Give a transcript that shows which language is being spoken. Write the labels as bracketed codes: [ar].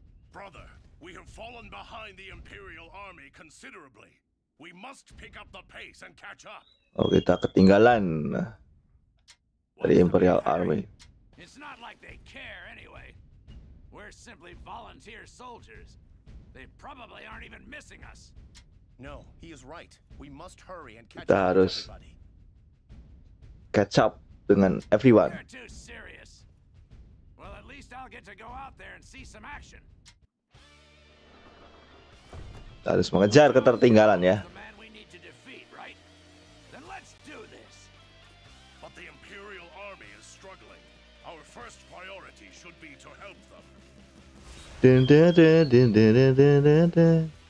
[en] Brother, we have fallen behind the Imperial Army considerably. We must pick up the pace and catch up. [id] Oh, kita ketinggalan dari Imperial Army. [en] It's not like they care anyway. We're simply volunteer soldiers. They probably aren't even missing us. No, he is right. We must hurry and catch up. [id] Kita harus [en] catch up [id] dengan everyone. [en] You're too serious. Well, at least I'll get to go out there and see some action. [id] Kita harus mengejar ketertinggalan ya. [en] The man we need to defeat, right? Then let's do this. But the Imperial Army is struggling. Our first priority should be to help them. Din din din din din din din din din.